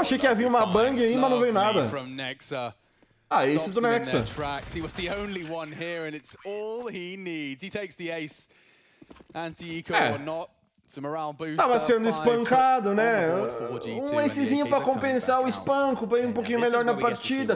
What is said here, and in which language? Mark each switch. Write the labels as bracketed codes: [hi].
[pt] achei que havia uma bang aí, mas não veio nada. Ah, esse do Nexa. [en] He was the only one here and it's all he needs. He takes the ace. Anti-eco or not. [pt] Tava sendo espancado, né? Um ACzinho pra compensar o espanco, pra ir um pouquinho melhor na partida.